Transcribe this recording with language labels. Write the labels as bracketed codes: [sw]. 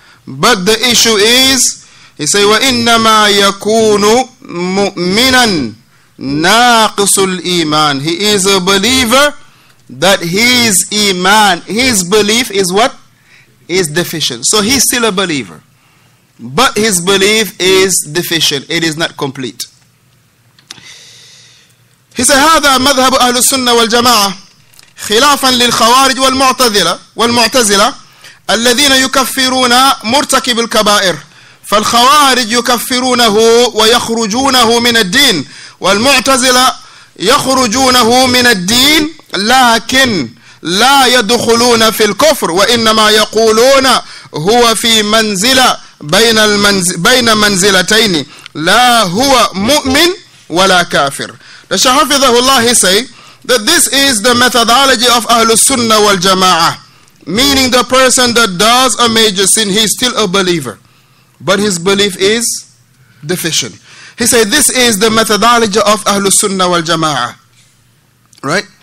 [en] But the issue is, he say, [ar] وَإِنَّمَا يَكُونُ مُؤْمِنًا نَاقِصُ الْإِيمَانِ. [en] He is a believer, that his iman, his belief is what? Is deficient. So he's still a believer, but his belief is deficient. It is not complete. He said, [ar] هذا مذهب أهل السنة والجماعة خلافا للخوارج والمعتزلة الذين يكفرون مرتكب الكبائر. فالخوارج يكفرونه ويخرجونه من الدين، والمعتزلة يخرجونه من الدين لكن لا يدخلون في الكفر، وإنما يقولون هو في منزلة بين منزلتين، لا هو مؤمن ولا كافر. [en] The Shaykh Hafidhahullah say that this is the methodology of Ahlus Sunnah wal Jama'ah, meaning the person that does a major sin, he is still a believer, but his belief is deficient. He said, this is the methodology of Ahlus Sunnah wal Jama'ah. Right?